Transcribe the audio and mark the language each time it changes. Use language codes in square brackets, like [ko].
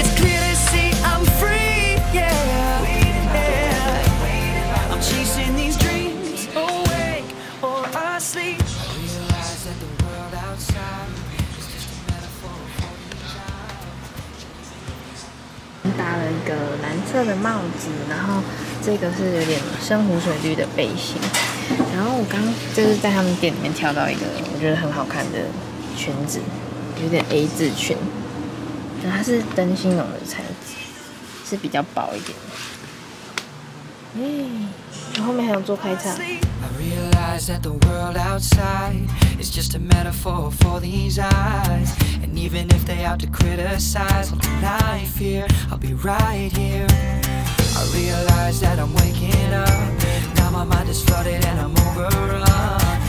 [en] It's clear to see I'm free, yeah. Waiting by the river, waiting by the river. I'm chasing these dreams, awake or asleep. I realize that the world outside is just a metaphor for your child. [zh] 搭了一个蓝色的帽子，然后这个是有点深湖水绿的背心。然后我刚就是在他们店里面挑到一个我觉得很好看的裙子，有点 A 字裙，它是灯芯绒的材质，是比较薄一点的。我后面还有做开叉。 [en] I realize that the world outside is just a metaphor for these eyes, and even if they have to criticize, I'll deny fear, I'll be right here. I realize that I'm waking up. My mind is flooded and I'm overrun.